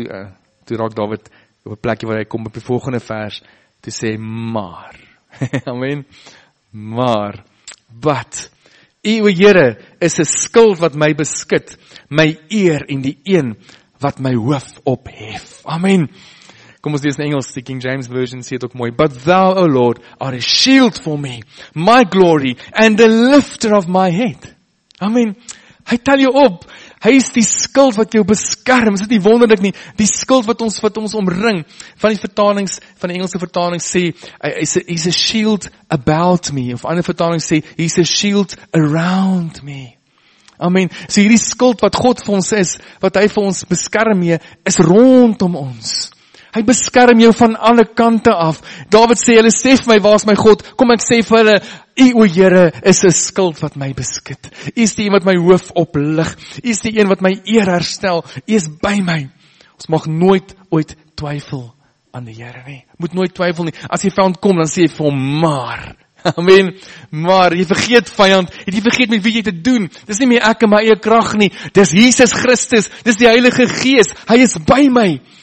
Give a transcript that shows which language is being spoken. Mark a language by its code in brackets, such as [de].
[af] Toe raak David op een plekje waar hy kom op die volgende vers, toe sê, maar, amen, maar, wat, u Here is een skild wat my beskut, my eer en die een wat my hoof ophef, amen. Kom ons lees in Engels, die King James Version sê het ook mooi. [en] But thou, O Lord, are a shield for me, my glory, and the lifter of my head. [af] Amen. Hy tel jou op. Hy is die skild wat jou beskerm. Is dit nie wonderlik nie? Die skild wat ons omring. Van die vertalings, van die Engelse vertaling sê, [en] he's a shield about me. [af] Of ander vertaling sê, [en] he's a shield around me. [af] Amen. So hierdie skild wat God vir ons is, wat hy vir ons beskerm mee, is rondom ons. Hy beskerm jou van alle kante af. David sê, hulle sê vir my, waar is my God? Kom, ek sê vir hulle, u o Here is een skild wat my beskut. U is die een wat my hoof oplig. U is die een wat my eer herstel. U is by my. Ons mag nooit ooit twyfel aan die Here nie. Moet nooit twyfel nie. As jy vyand kom, dan sê jy vir hom, maar. Amen. Maar, jy vergeet vyand. Jy vergeet met wie jy te doen. Dis nie meer ek en my eie krag nie. Dis Jesus Christus. Dis die Heilige Gees. Hy is by my.